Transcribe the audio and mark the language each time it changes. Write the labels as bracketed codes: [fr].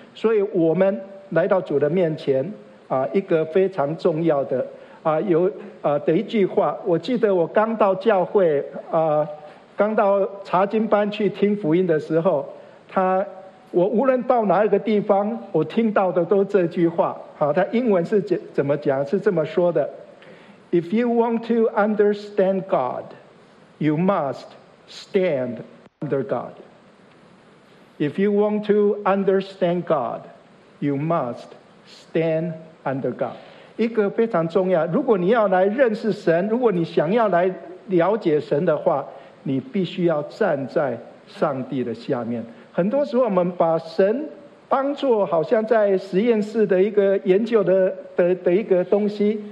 [zh] 所以我们来到主的面前一个非常重要的的一句话，我记得我刚到教会刚到查经班去听福音的时候，我无论到哪一个地方，我听到的都这句话啊。他英文是怎么讲，是这么说的， [en] If you want to understand God, you must stand under God. If you want to understand God, you must stand under God. Under God， [zh] 一个非常重要。如果你要来认识神，如果你想要来了解神的话，你必须要站在上帝的下面。很多时候，我们把神当作好像在实验室的一个研究 的一个东西。